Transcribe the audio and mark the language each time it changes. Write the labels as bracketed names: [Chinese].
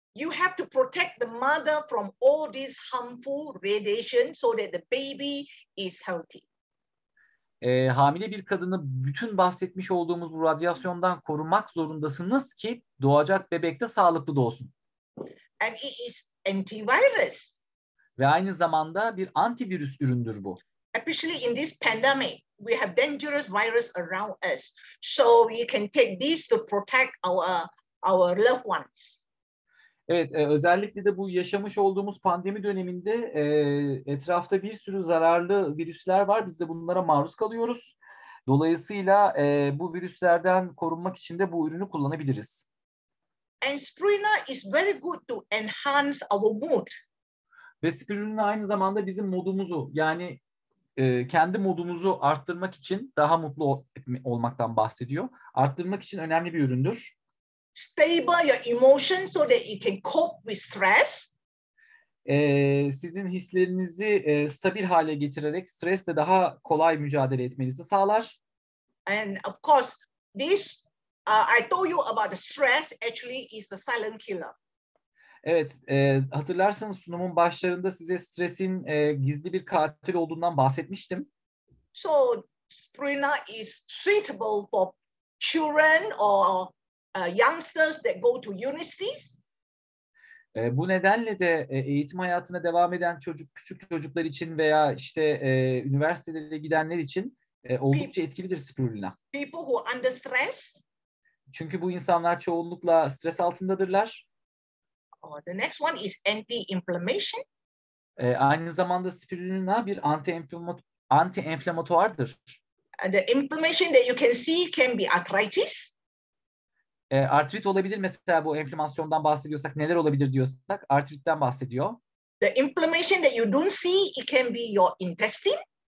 [English] You have to protect the mother from all these harmful radiation so that the baby is healthy. [Turkish] Hamile bir kadını bütün bahsetmiş olduğumuz bu radyasyondan korumak zorundasınız ki doğacak bebek de sağlıklı doğsun. [English] And it is antivirus. [Turkish] Ve aynı zamanda bir antivirüs üründür bu. [English] Especially in this pandemic, we have dangerous virus around us. So we can take these to protect our loved ones. [Turkish] Evet, özellikle de bu yaşamış olduğumuz pandemi döneminde etrafta bir sürü zararlı virüsler var. Biz de bunlara maruz kalıyoruz. Dolayısıyla bu virüslerden korunmak için de bu ürünü kullanabiliriz. [English] And spirulina is very good to enhance our mood. [Turkish] Ve spirulina aynı zamanda bizim modumuzu, yani kendi modumuzu arttırmak için, daha mutlu olmaktan bahsediyor. Arttırmak için önemli bir üründür. [English] Stable your emotions so that you can cope with stress. [Turkish] Sizin hislerinizi stabil hale getirerek stresle daha kolay mücadele etmenizi sağlar. [English] And of course, this I told you about the stress actually is a silent killer. [Turkish] Evet, hatırlarsanız sunumun başlarında size stresin gizli bir katil olduğundan bahsetmiştim. [English] So spirulina is suitable for children or youngsters that go to universities. [Turkish] Bu nedenle de eğitim hayatına devam eden küçük çocuklar için veya işte üniversitelere gidenler için oldukça etkilidir spirulina. [English] People who are under stress. [Turkish] Çünkü bu insanlar çoğunlukla stres altındadırlar. [English] The next one is anti-inflammation. [Turkish] Aynı zamanda spirulina bir anti-inflamatuardır. [English] The inflammation that you can see can be arthritis. [Turkish] Artrit olabilir mesela, bu enflamasyondan bahsediyorsak neler olabilir diyorsak artritten bahsediyor. [English] The inflammation that you don't see, it can be your intestine.